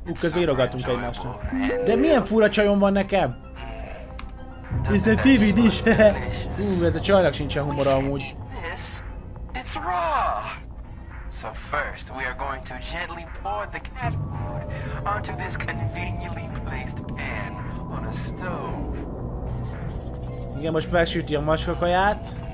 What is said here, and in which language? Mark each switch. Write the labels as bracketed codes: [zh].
[hu] Úgy közben írogatunk egymásnak. De milyen fura csajom van nekem? Ez a TV is. Fú, ez a csajnak sincsen humora amúgy. [en] It's raw. So first we are going to gently pour the cat food onto this conveniently placed pan on a stove. [hu] Igen, most megsüti a macska kaját.